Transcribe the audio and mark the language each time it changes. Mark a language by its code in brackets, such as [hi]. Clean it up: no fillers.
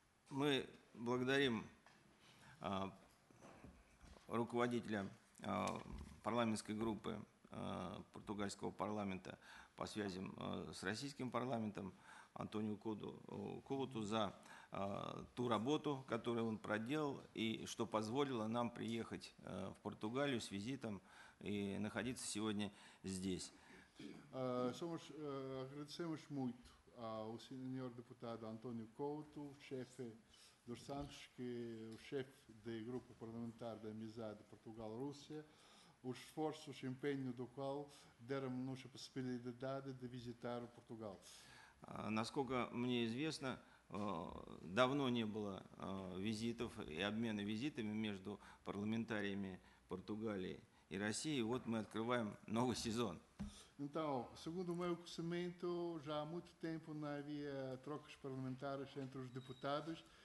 [ru] Мы благодарим руководителя парламентской группы португальского парламента по связям с российским парламентом Антонио Куту за ту работу, которую он проделал, и что позволило нам приехать в Португалию с визитом и находиться сегодня здесь. Мы благодарим очень сеньор депутата Антонио Куту, шефа [pt] dos Santos, que o chefe do grupo parlamentar da amizade Portugal-Rússia, os esforços e empenho do qual deram-nos a possibilidade de visitar Portugal. [ru] Насколько мне известно, давно не было визитов и обмена визитами между парламентариями Португалии и России. Вот мы открываем новый сезон. [pt] Então, segundo o meu conhecimento, já há muito tempo não havia trocas parlamentares entre os deputados.